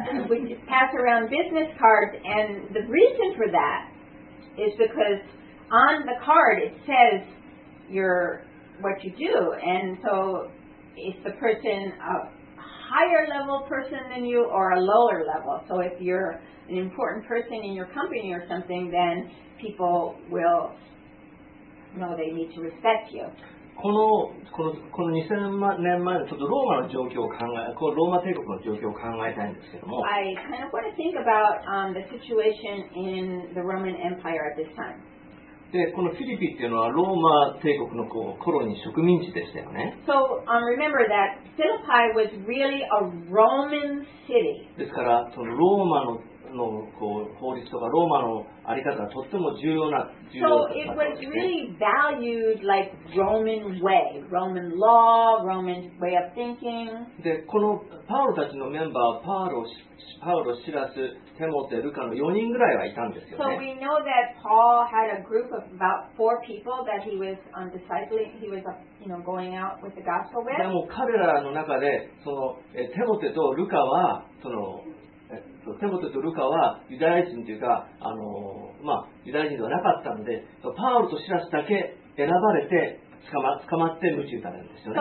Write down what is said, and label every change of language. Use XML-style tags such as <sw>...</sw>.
<en>We just pass around business cards, and the reason for that is because on the card it says your what you do, and so if the person a higher level person than you or a lower level. So if you're an important person in your company or something, then people will know they need to respect you.</en> <ja>この2000年前のちょっとローマの状況を考え、こうローマ帝国の状況を考えたいんですけども。</ja> <en>I kind of want to think about the situation in the Roman Empire at this time.</en> <ja>で、このフィリピっていうのはローマ帝国のこうコロニー植民地でしたよね。</ja> <en>So remember that Philippi was really a Roman city.</en> <ja>ですから、そのローマのこう法律とかローマのあり方がとっても重要な</ja> <en>So it was really valued like Roman way, Roman law, Roman way of thinking.</en> <ja>で、このパウロたちのメンバー、パウロ、シラス、テモテ、ルカの4人ぐらいはいたんですよね。</ja> <en>So we know that Paul had a group of about four people that he was discipling, he was going out with the gospel with.</en> <ja>でも彼らの中でそのテモテとルカはそのテモテとルカはユダヤ人というかユダヤ人ではなかったのでパウロとシラスだけ選ばれて捕まって鞭打たれるんですよね。</ja>